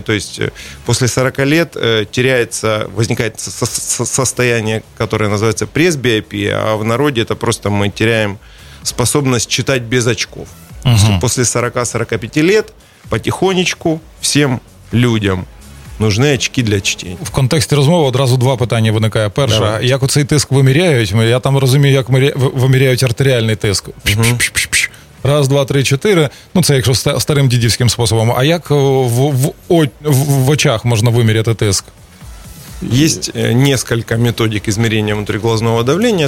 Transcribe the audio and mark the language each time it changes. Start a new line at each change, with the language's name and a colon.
Russian: То есть после 40 лет теряется, возникает состояние, которое называется пресбиопия, а в народе это просто мы теряем способность читать без очков. После 40-45 лет потихонечку всем людям нужны очки для чтения. В контексте разговора
Ukrainian: одразу два питання виникає. Перше, давай. Як оцей тиск виміряють? Я там розумію, як виміряють артеріальний тиск. Раз, два, три, чотири. Ну, це якщо старим дідівським способом. А як в очах можна виміряти тиск?
Russian: Є несколько методик измерения внутриглазного давления.